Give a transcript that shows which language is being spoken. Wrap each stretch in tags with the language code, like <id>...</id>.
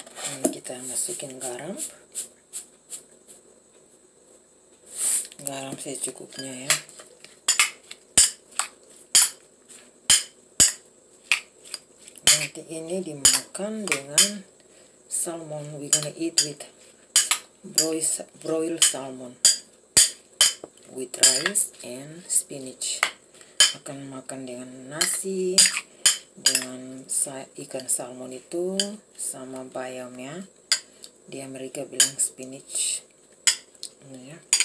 <id>Ini kita masukin garam. Garam secukupnya ya. Nanti ini dimakan dengan salmon.</id> <en>We gonna eat with broiled salmon with rice and spinach.</en> <id>Akan makan dengan nasi, dengan ikan salmon itu, sama bayamnya. Di Amerika bilang spinach. Ini ya.</id>